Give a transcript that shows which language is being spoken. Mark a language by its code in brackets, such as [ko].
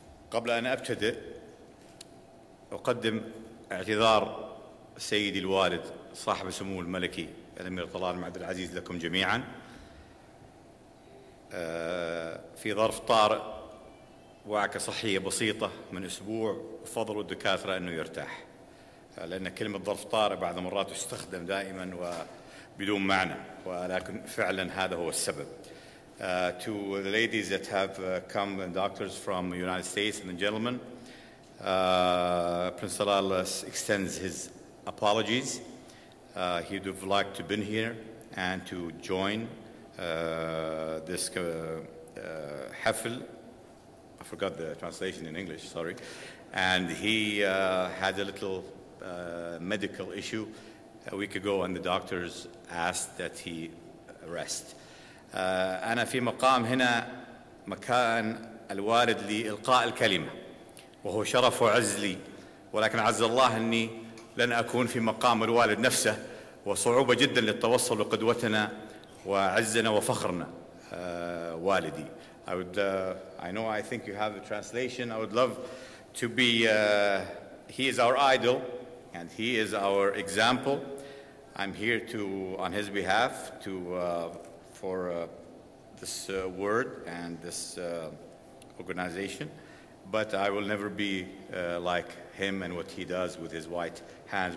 [ar] قبل أن أبتدأ أقدم اعتذار سيدي الوالد صاحب السمو الملكي الأمير طلال بن عبد العزيز لكم جميعا في ظرف طارئ وعكة صحية بسيطة من أسبوع، وفضل الدكاترة أنه يرتاح، لأن كلمة ظرف طارئ بعض المرات تستخدم دائما وبدون معنى، ولكن فعلا هذا هو السبب. [en] To the ladies that have come and doctors from the United States and the gentlemen, Prince Talal extends his apologies. He would have liked to been here and to join this حفل. I forgot the translation in English, sorry. And he had a little medical issue a week ago, and the doctors asked that he rest. [ar] أنا في مقام هنا مكان الوالد لإلقاء الكلمة، وهو شرف وعز لي، ولكن عز الله أني لن أكون في مقام الوالد نفسه، وصعوبة جدا للتوصل لقدوتنا وعزنا وفخرنا والدي. [en] I think you have the translation. I would love to be, he is our idol and he is our example. I'm here to, on his behalf, to for this word and this organization, but I will never be like him and what he does with his white hands.